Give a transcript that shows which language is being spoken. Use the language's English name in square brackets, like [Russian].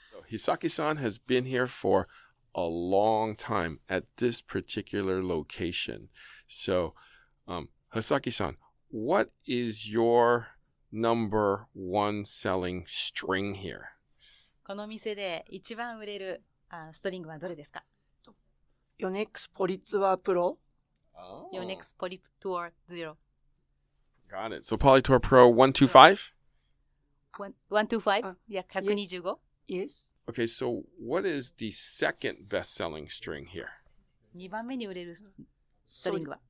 [English] Hisaki-san has been here for a long time at this particular location. So, Hisaki-san, what is your number one selling string here? [Japanese] この店で一番売れるストリングはどれですか？ヨネックスポリツアープロ。ヨネックスポリツアーゼロ。 [English] Got it. So, Polytour Pro 125? 125? Yeah, 125? Yes. Okay, so what is the second best-selling string here? [Japanese] 2番目に売れるストリングは？